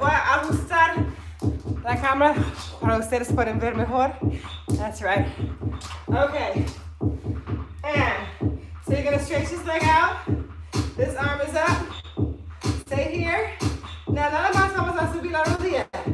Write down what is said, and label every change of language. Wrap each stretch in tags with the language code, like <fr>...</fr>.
<es>Voy a ajustar la cámara para ustedes pueden ver mejor.</es> <en>That's right. Okay. And so you're gonna stretch this leg out. This arm is up. Stay here.</en> <es>Now nada más vamos a subir la rodilla.</es>